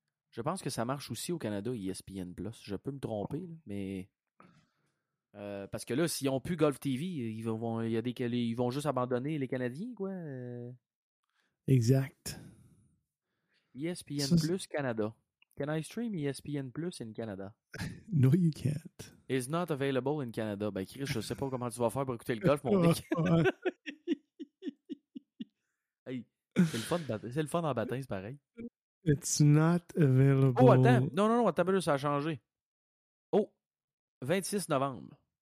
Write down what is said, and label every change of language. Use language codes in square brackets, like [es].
[fr] Je pense que ça marche aussi au Canada, ESPN Plus. Je peux me tromper, là, mais... parce que là, s'ils n'ont plus Golf TV, ils vont juste abandonner les Canadiens, quoi. Exact. ESPN ça, Plus Canada. [en] Can I stream ESPN Plus in Canada? No, you can't. It's not available in Canada. [fr] Ben, Chris, je sais pas comment tu vas faire pour écouter le golf, mon mec. Hey, c'est le fun en baptême, c'est pareil. [en] It's not available. [fr] Oh, attends. Non, attends, ça a changé. Oh, 26 novembre.